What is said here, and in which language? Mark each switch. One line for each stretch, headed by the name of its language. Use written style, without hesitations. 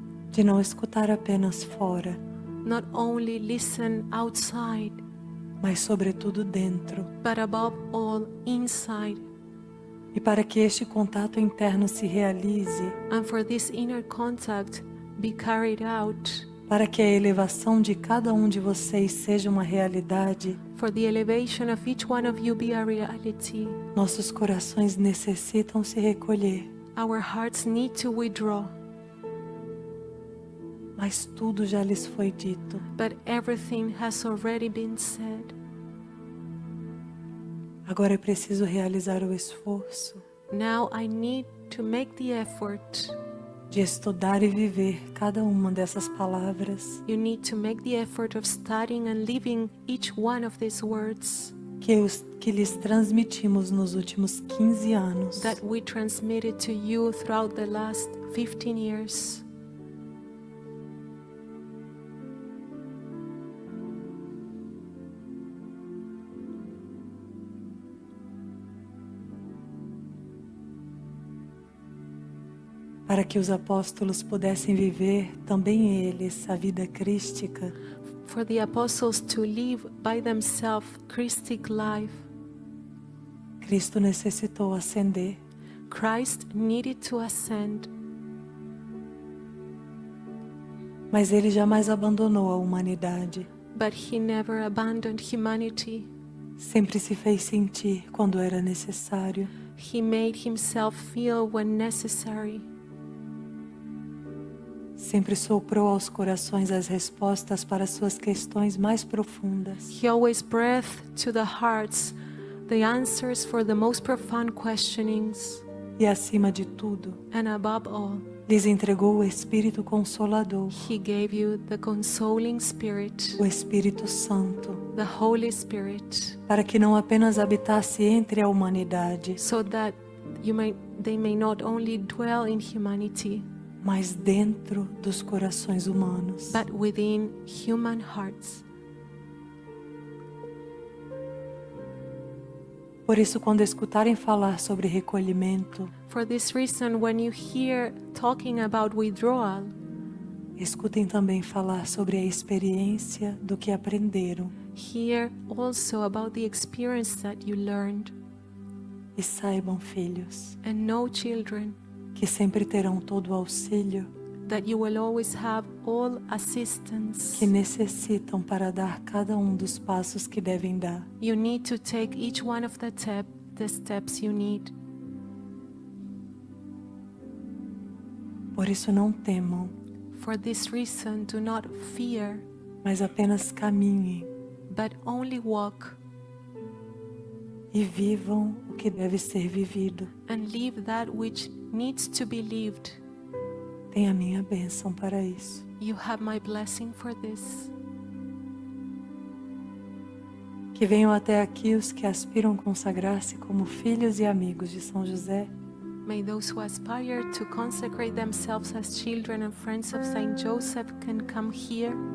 Portuguese: De não escutar apenas fora.
English: Not only listen outside.
Portuguese: Mas sobretudo dentro.
English: But above all inside.
Portuguese: E para que este contato interno se realize,
English: and for this inner contact be carried out,
Portuguese: para que a elevação de cada de vocês seja uma realidade,
English: for the elevation of each one of you be a reality,
Portuguese: nossos corações necessitam se recolher.
English: Our hearts need to withdraw.
Portuguese: Mas tudo já lhes foi dito.
English: But everything has already been said.
Portuguese: Agora é preciso realizar o esforço.
English: Now I need to make the effort.
Portuguese: De estudar e viver cada dessas palavras.
English: You need to make the effort of studying and living each one of these words.
Portuguese: Que lhes transmitimos nos últimos 15 anos.
English: That we transmitted to you throughout the last 15 years.
Portuguese: Para que os apóstolos pudessem viver também eles a vida crística.
English: For the apostles to live by themselves Christic life.
Portuguese: Cristo necessitou ascender.
English: Christ needed to ascend.
Portuguese: Mas ele jamais abandonou a humanidade.
English: But he never abandoned humanity.
Portuguese: Sempre se fez sentir quando era necessário.
English: He made himself feel when necessary.
Portuguese: Sempre soprou aos corações as respostas para suas questões mais profundas.
English: He always breathed to the hearts the answers for the most profound questionings.
Portuguese: E acima de tudo,
English: and above all,
Portuguese: lhes entregou o Espírito Consolador.
English: He gave you the consoling spirit,
Portuguese: o Espírito Santo,
English: the Holy Spirit,
Portuguese: para que não apenas habitasse entre a humanidade,
English: so that you may, they may not only dwell in humanity,
Portuguese: mas dentro dos corações humanos.
English: But within human hearts.
Portuguese: Por isso, quando escutarem falar sobre recolhimento,
English: for this reason, when you hear talking about withdrawal,
Portuguese: escutem também falar sobre a experiência do que aprenderam.
English: Hear also about the experience that you learned.
Portuguese: E saibam, filhos,
English: and know, children,
Portuguese: que sempre terão todo o auxílio,
English: that you will always have all assistance,
Portuguese: que necessitam para dar cada dos passos que devem dar.
English: You need to take each one of the steps you need.
Portuguese: Por isso não temam.
English: For this reason, do not fear.
Portuguese: Mas apenas caminhem.
English: But only walk.
Portuguese: E vivam o que deve ser vivido.
English: And live that which needs to be lived.
Portuguese: Tenha minha bênção para isso.
English: You have my blessing for this.
Portuguese: Que venham até aqui os que aspiram consagrar-se como filhos e amigos de São José.
English: May those who aspire to consecrate themselves as children and friends of Saint Joseph can come here.